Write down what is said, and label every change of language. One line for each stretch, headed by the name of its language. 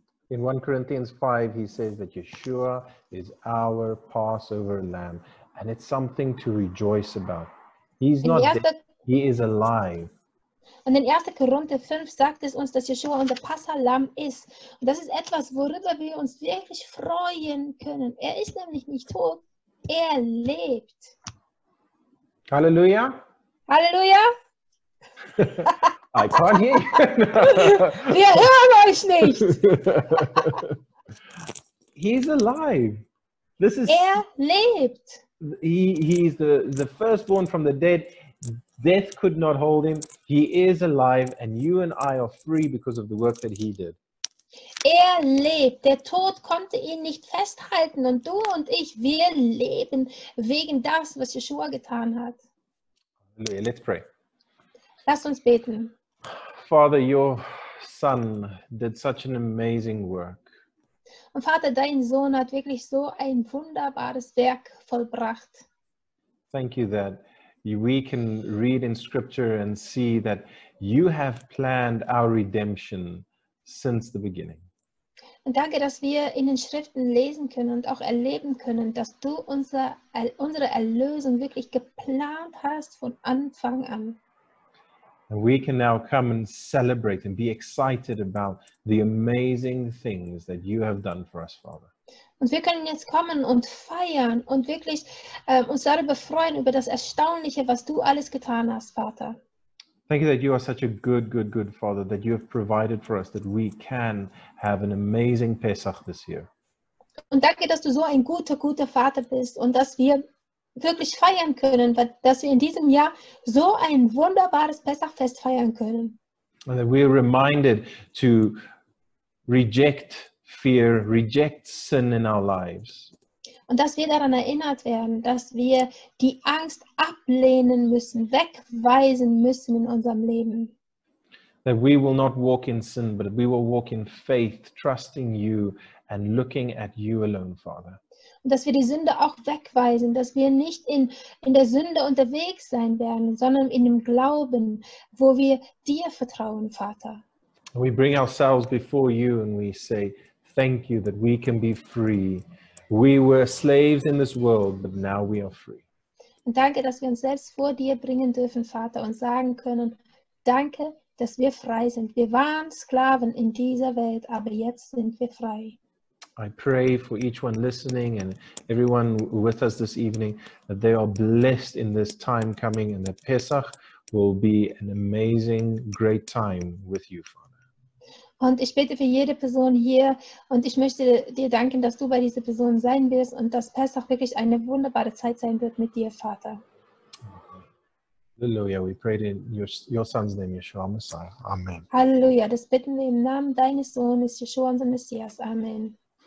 English: In 1 Corinthians 5, he says that Yeshua is our Passover lamb. And it's something to rejoice about. He's not dead, he is alive.
German: Und in 1. Korinther 5 sagt es uns, dass Yeshua unser Passahlamm ist. Und das ist etwas, worüber wir uns wirklich freuen können. Er ist nämlich nicht tot, er lebt. Halleluja! Halleluja!
English: I can't hear you.
German: Wir hören euch nicht!
English: He's alive. This is,
German: er lebt.
English: He's the firstborn from the dead. Death could not hold him. He is alive, and you and I are free because of the work that he did.
German: Er lebt. Der Tod konnte ihn nicht festhalten, und du und ich, wir leben wegen das, was Yeshua getan hat.
English: Let's pray.
German: Lass uns beten.
English: Father, your son did such an amazing work.
German: Und Vater, dein Sohn hat wirklich so ein wunderbares Werk vollbracht.
English: Thank you that we can read in scripture and see that you have planned our redemption since the beginning.
German: Und danke, dass wir in den Schriften lesen können und auch erleben können, dass du unsere Erlösung wirklich geplant hast von Anfang an.
English: And we can now come and celebrate and be excited about the amazing things that you have done for us, Father.
German: Und wir können jetzt kommen und feiern und wirklich uns darüber freuen, über das Erstaunliche, was du alles getan hast, Vater.
English: Thank you that you are such a good, good, good Father, that you have provided for us, that we can have an amazing Pesach this year.
German: Und danke, dass du so ein guter, guter Vater bist und dass wir wirklich feiern können, dass wir in diesem Jahr so ein wunderbares Pesachfest feiern können.
English: And that we are reminded to reject fear, reject sin in our lives.
German: Und dass wir daran erinnert werden, dass wir die Angst ablehnen müssen, wegweisen müssen in unserem Leben.
English: That we will not walk in sin, but we will walk in faith, trusting you and looking at you alone, Father.
German: Und dass wir die Sünde auch wegweisen, dass wir nicht in der Sünde unterwegs sein werden, sondern in dem Glauben, wo wir dir vertrauen, Vater.
English: We bring ourselves before you and we say, thank you that we can be free. We were slaves in this world, but now we are free.
German: Und danke, dass wir uns selbst vor dir bringen dürfen, Vater, und sagen können, danke, dass wir frei sind. Wir waren Sklaven in dieser Welt, aber jetzt sind wir frei.
English: I pray for each one listening and everyone with us this evening that they are blessed in this time coming and that Pesach will be an amazing, great time with you, Father.
German: Und ich bete für jede Person hier und ich möchte dir danken, dass du bei dieser Person sein wirst und dass Pesach wirklich eine wunderbare Zeit sein wird mit dir, Vater.
English: Hallelujah, we pray in your son's name, Yeshua Messiah. Amen.
German: Hallelujah, das bitten wir im Namen deines Sohnes, Yeshua, unser Messias. Amen.